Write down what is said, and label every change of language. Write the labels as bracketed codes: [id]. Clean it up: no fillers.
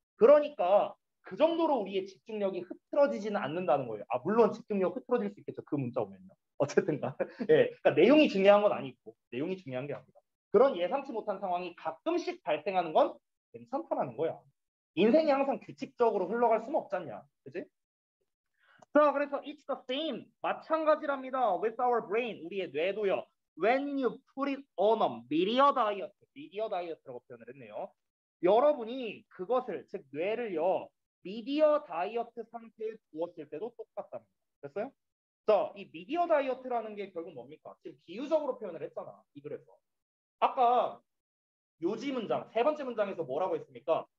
[ko] 그러니까 그 정도로 우리의 집중력이 흐트러지지는 않는다는 거예요. 아, 물론 집중력 흐트러질 수 있겠죠. 그 문자 오면요. 어쨌든 간에. 네, 그러니까 내용이 중요한 건 아니고 내용이 중요한 게 아니다. 그런 예상치 못한 상황이 가끔씩 발생하는 건 괜찮다라는 거야. 인생이 항상 규칙적으로 흘러갈 수는 없잖냐. 그치? 자, 그래서 [en] it's the same. [ko] 마찬가지랍니다. [en] With our brain, [ko] 우리의 뇌도요. [en] When you put it on a media diet. [ko] media diet라고 표현을 했네요. 여러분이 그것을, 즉 뇌를요. media diet 상태에 두었을 때도 똑같답니다. 됐어요? 자, 이 media diet라는 게 결국 뭡니까? 지금 비유적으로 표현을 했잖아. 이 글에서. 아까 요지 문장, 세 번째 문장에서 뭐라고 했습니까?